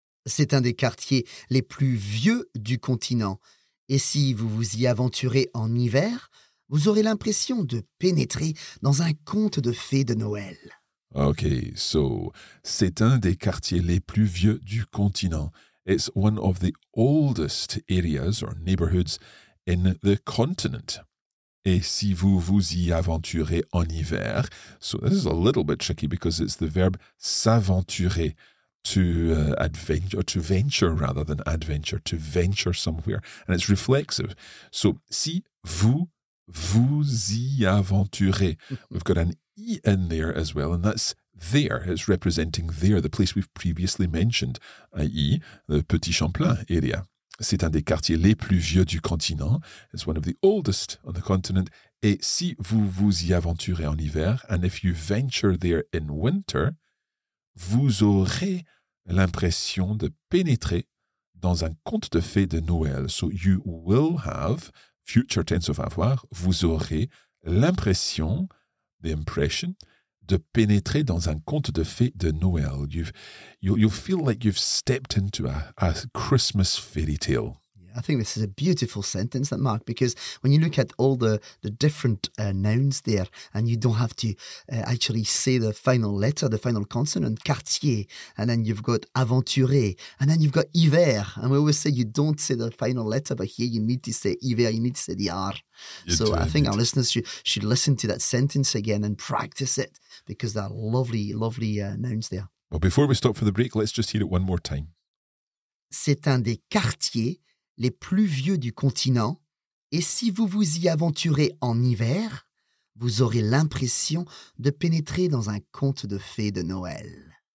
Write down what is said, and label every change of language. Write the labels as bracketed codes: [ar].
[fr] C'est un des quartiers les plus vieux du continent. Et si vous vous y aventurez en hiver, vous aurez l'impression de pénétrer dans un conte de fées de Noël. OK, so, c'est un des quartiers les plus vieux du continent. [en] It's one of the oldest areas or neighborhoods in the continent. [fr] Et si vous vous y aventurez en hiver, [en] so this is a little bit tricky because it's the verb s'aventurer. To venture somewhere. And it's reflexive. [fr] So, si vous vous y aventurez. [en] We've got an E in there as well, and that's there. It's representing there, the place we've previously mentioned, i.e. the Petit Champlain area. [fr] C'est un des quartiers les plus vieux du continent. [en] It's one of the oldest on the continent. [fr] Et si vous vous y aventurez en hiver, [en] and if you venture there in winter, [fr] vous aurez l'impression de pénétrer dans un conte de fées de Noël. [en] So you will have, future tense of avoir, [fr] vous aurez l'impression, [en] the impression, [fr] de pénétrer dans un conte de fées de Noël. [en] You'll feel like you've stepped into a Christmas fairy tale. Yeah, I think this is a beautiful sentence, that Mark, because when you look at all the different nouns there, and you don't have to actually say the final letter, the final consonant, quartier, and then you've got aventurer, and then you've got hiver. And we always say you don't say the final letter, but here you need to say hiver, you need to say the R. So I think our listeners should listen to that sentence again and practice it, because there are lovely, lovely nouns there. Well, before we stop for the break, let's just hear it one more time. [fr] C'est un des quartiers les plus vieux du continent, et si vous vous y aventurez en hiver, vous aurez l'impression de pénétrer dans un conte de fées de Noël.